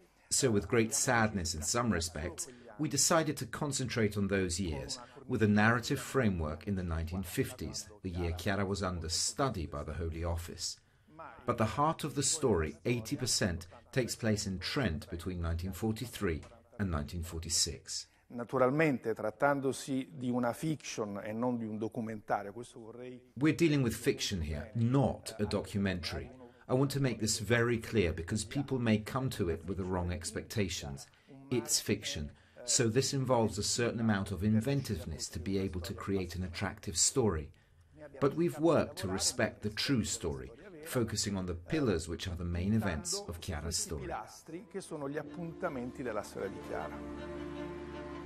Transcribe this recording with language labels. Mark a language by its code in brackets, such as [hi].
[en] So with great sadness in some respects, we decided to concentrate on those years with a narrative framework in the 1950s, the year Chiara was under study by the Holy Office. But the heart of the story, 80%, takes place in Trent between 1943 and 1946. [it] Naturalmente, trattandosi di una fiction e non di un documentario, questo vorrei... [en] We're dealing with fiction here, not a documentary. I want to make this very clear because people may come to it with the wrong expectations. It's fiction. So this involves a certain amount of inventiveness to be able to create an attractive story. But we've worked to respect the true story, focusing on the pillars which are the main events of Chiara's story. [it] Pilastri che sono gli appuntamenti della storia di Chiara.